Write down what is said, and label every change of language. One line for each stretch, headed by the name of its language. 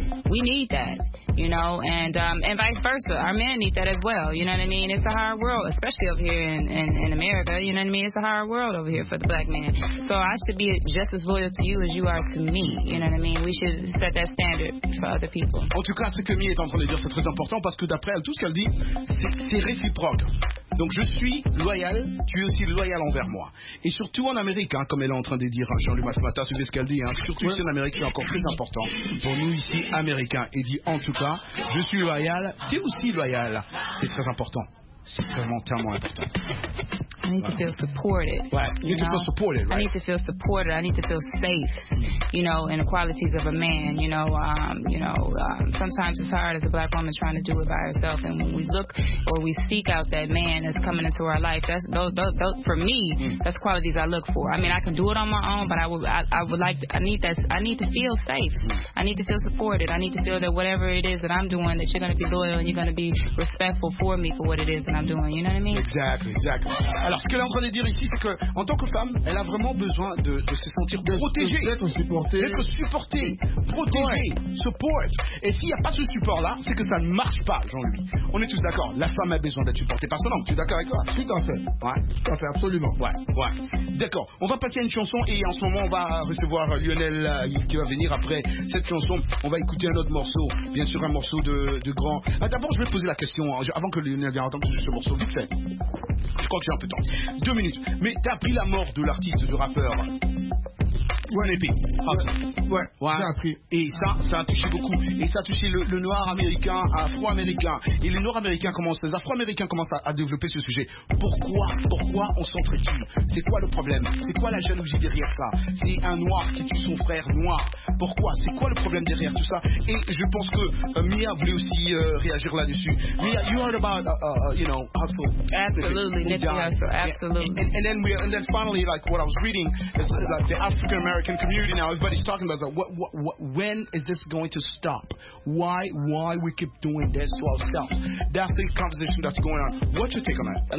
English: We need that, you know, and vice versa. Our men need that as well, you know what I mean? It's a hard world, especially up here in America. America, you know what I mean? It's a hard world over here for the black man. So I should be just as loyal to you as you are to me. You know what I mean? We should set that standard for other people.
French: En tout cas, ce que Mia est en train de dire, c'est très important parce que d'après elle, tout ce qu'elle dit, c'est réciproque. Donc je suis loyal, tu es aussi loyal envers moi. Et surtout en Amérique, hein, comme elle est en train de dire, hein, Jean-Louis Mathemata, suivez ce qu'elle dit, hein, surtout ici en Amérique, c'est encore plus important pour nous ici, Américains. Et dit en tout cas, je suis loyal, tu es aussi loyal. C'est très important. C'est vraiment tellement important.
English: I need to feel supported. Right. You need to feel supported, right? I need to feel supported. I need to feel safe, you know, in the qualities of a man, sometimes it's hard as a black woman trying to do it by herself. And when we look or we seek out that man that's coming into our life, that's those, for me, that's qualities I look for. I mean, I can do it on my own, but I need to feel safe. I need to feel supported. I need to feel that whatever it is that I'm doing, that you're going to be loyal and you're going to be respectful for me for what it is that I'm doing. You know what I mean? Exactly.
French: Alors, ce qu'elle est en train de dire ici, c'est qu'en tant que femme, elle a vraiment besoin de se sentir protégée. D'être supportée, protégée, ouais. Support. Et s'il n'y a pas ce support-là, c'est que ça ne marche pas, Jean-Louis. On est tous d'accord. La femme a besoin d'être supportée par son homme. Tu es d'accord avec moi? Tout à fait. Ouais. Tout à fait, absolument. Ouais, ouais. D'accord. On va passer à une chanson et en ce moment, on va recevoir Lionel qui va venir après cette chanson. On va écouter un autre morceau. Bien sûr, un morceau de grand. Ah, d'abord, je vais poser la question. Hein, avant que Lionel vienne, attendre juste ce morceau, vite fait. Je crois que j'ai un peu de temps. Deux minutes. Mais t'as appris la mort de l'artiste, du rappeur. Ouais, Népi. Ouais, ouais. J'ai appris. Et ça, ça a touché beaucoup. Et ça a touché le noir américain, afro-américain. Et les noirs américains commencent, les afro-américains commencent à développer ce sujet. Pourquoi? Pourquoi on s'entretue? C'est quoi le problème? C'est quoi la jalousie derrière ça? C'est un noir qui tue son frère noir. Pourquoi? C'est quoi le problème derrière tout ça? Et je pense que Mia voulait aussi réagir là-dessus.
English: Mia, you heard about, you know, hustle. Absolutely. Yeah. Yeah. And then finally, like what I was reading, is that the African American community now, everybody's talking about that. When is this going to stop? Why we keep doing this to ourselves? That's the conversation that's going on. What's your take on that?